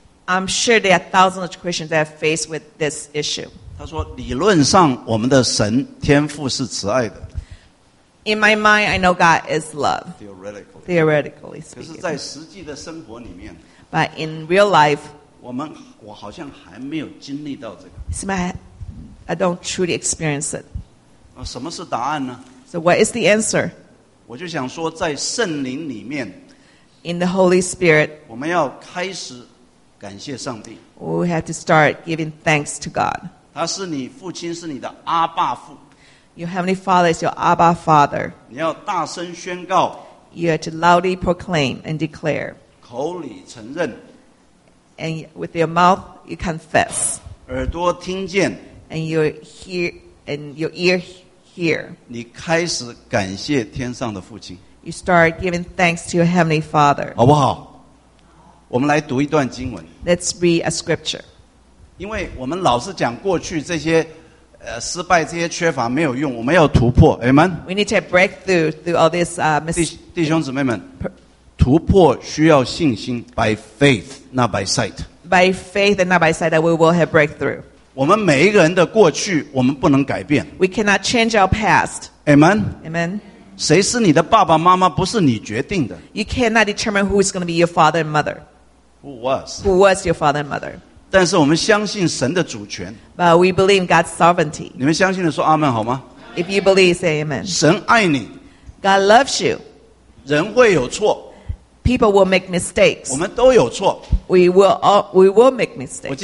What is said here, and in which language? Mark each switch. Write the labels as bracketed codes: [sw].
[en] I'm sure there are thousands of Christians that are faced with this issue. [zh] 他说，理论上我们的神天父是慈爱的。 [en] In my mind, I know God is love. Theoretically speaking. [zh] 可是在实际的生活里面, [en] but in real life, [zh] 我好像还没有经历到这个。I [en] don't truly experience it. [zh] 什么是答案呢? [en] So what is the answer? [zh] 我就想说在圣灵里面, [en] in the Holy Spirit, [zh] 我们要开始 感谢上帝, [en] we have to start giving thanks to God. [zh] 他是你父亲，是你的阿爸父。 [en] Your Heavenly Father is your Abba Father. [zh] 你要大声宣告, [en] you have to loudly proclaim and declare. [zh] 口里承认, [en] and with your mouth, you confess. [zh] 耳朵听见, [en] and you hear, and your ear hear. [zh] 你开始感谢天上的父亲。 [en] You start giving thanks to your Heavenly Father. [zh] 好不好?我们来读一段经文。 [en] Let's read a scripture. [zh] 因为我们老是讲过去这些失败、这些缺乏没有用， 我们要突破, Amen? [en] We need to have breakthrough through all this mistakes. [zh] 弟兄姊妹们, 突破需要信心, [en] by faith, not by sight. By faith and not by sight that we will have breakthrough. [zh] 我们每一个人的过去, 我们不能改变。 [en] We cannot change our past. Amen? Amen? [zh] 谁是你的爸爸妈妈, 不是你决定的。 [en] You cannot determine who is going to be your father and mother. Who was? Who was your father and mother? [zh] 但是我们相信神的主权。 [en] But we believe in God's sovereignty. [zh] 你们相信的说阿们好吗? [en] If you believe, say amen. [zh] 神爱你。 [en] God loves you. [zh] 人会有错。 [en] People will make mistakes. [zh] 我们都有错。 [en] We will make mistakes.